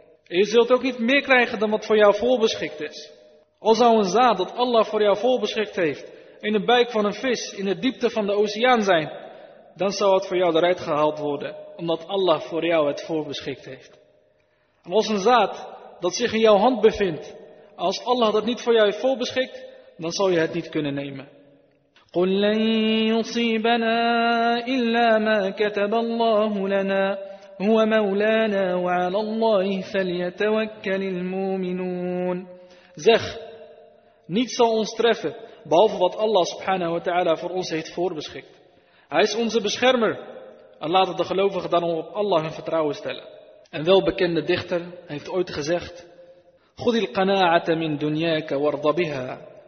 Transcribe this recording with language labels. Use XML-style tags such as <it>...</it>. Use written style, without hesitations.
<nl>En je zult ook niet meer krijgen dan wat voor jou voorbeschikt is. Al zou een zaad dat Allah voor jou voorbeschikt heeft, in de buik van een vis, in de diepte van de oceaan zijn, dan zou het voor jou eruit gehaald worden, omdat Allah voor jou het voorbeschikt heeft. En als een zaad dat zich in jouw hand bevindt, als Allah dat niet voor jou heeft voorbeschikt, dan zou je het niet kunnen nemen.</nl> <ar>قل لن يصيبنا إلا ما كتب الله لنا هو مولانا وعلى الله فليتوكل المؤمنون.</ar> <nl>Zeg, niets zal ons treffen behalve wat Allah subhanahu wa ta'ala voor ons heeft voorbeschikt. Hij is onze beschermer. En laten de gelovigen dan op Allah hun vertrouwen stellen. Een welbekende dichter heeft ooit gezegd,</nl> <ar>خذ القناعة من دنياك وارض بها.</ar>